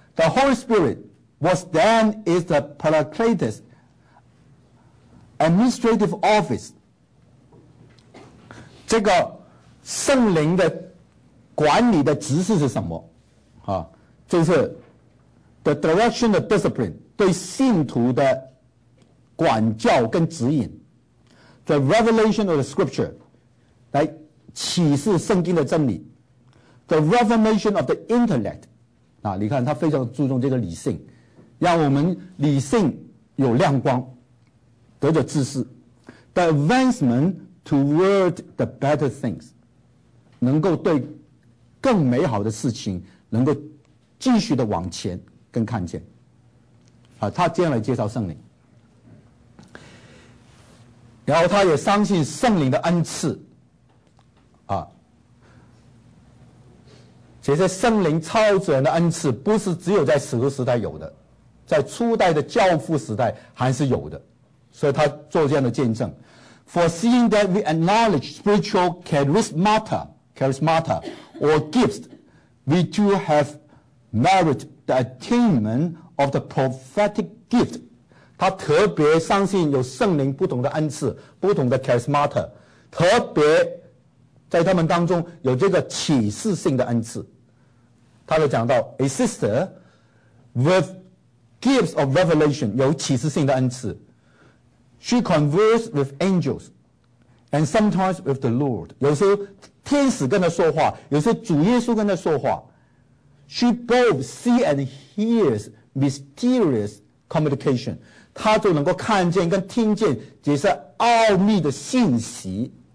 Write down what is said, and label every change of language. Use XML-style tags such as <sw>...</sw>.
<en>The Holy Spirit was then is the Paracletus administrative office。</en> <zh>这个圣灵的管理的职事是什么啊？就是</zh> <en>the direction of discipline，</en> <zh>对信徒的管教跟指引。</zh> <en>the revelation of the scripture，</en> <zh>来启示圣经的真理。</zh> <en>the reformation of the intellect，</en> <zh>啊，你看他非常注重这个理性，让我们理性有亮光，得着知识。</zh> <en>the advancementToward the better things，</en> <zh>能够对更美好的事情能够继续的往前跟看见啊。他这样来介绍圣灵，然后他也相信圣灵的恩赐啊。其实圣灵超自然的恩赐不是只有在使徒时代有的，在初代的教父时代还是有的，所以他做这样的见证。</zh> <en>Foreseeing that we acknowledge spiritual charismata or gifts, we too have merit the attainment of the prophetic gift.</en> <zh>他特别相信有圣灵不同的恩赐，不同的 charismata， 特别在他们当中有这个启示性的恩赐。</zh> <en>他就讲到 a sister with gifts of revelation，</en> <zh>有启示性的恩赐。</zh> <en>She converses with angels and sometimes with the Lord.</en> <zh>有时候天使跟他说话，有时候主耶稣跟他说话。</zh> <en>She both sees and hears mysterious communication.</en> <zh>他就能够看见跟听见这些奥秘的信息。</zh>